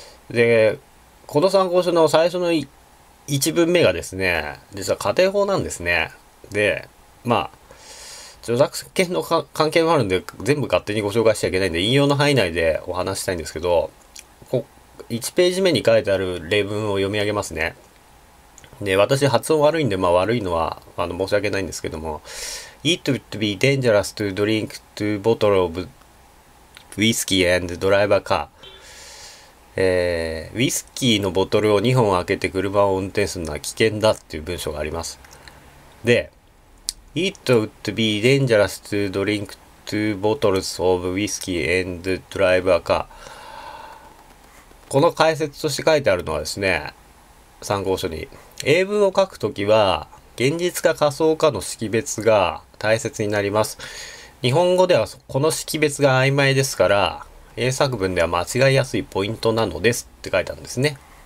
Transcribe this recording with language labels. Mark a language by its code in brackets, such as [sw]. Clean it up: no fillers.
[ja] で、この参考書の最初の1文目がですね、実は仮定法なんですね。で、まあ、著作権の関係もあるんで、全部勝手にご紹介しちゃいけないんで、引用の範囲内でお話したいんですけど、1ページ目に書いてある例文を読み上げますね。で、私、発音悪いんで、まあ、悪いのは申し訳ないんですけども、 [en] It would be dangerous to drink two bottles of whiskey and drive a car。 [ja] ウイスキーのボトルを2本開けて車を運転するのは危険だっていう文章があります。 [en] で、It would be dangerous to drink two bottles of whiskey and drive a car。 [ja] この解説として書いてあるのはですね、参考書に、英文を書くときは、現実か仮想かの識別が大切になります。日本語ではこの識別が曖昧ですから、英作文では間違いやすいポイントなのですって書いてあるんですね。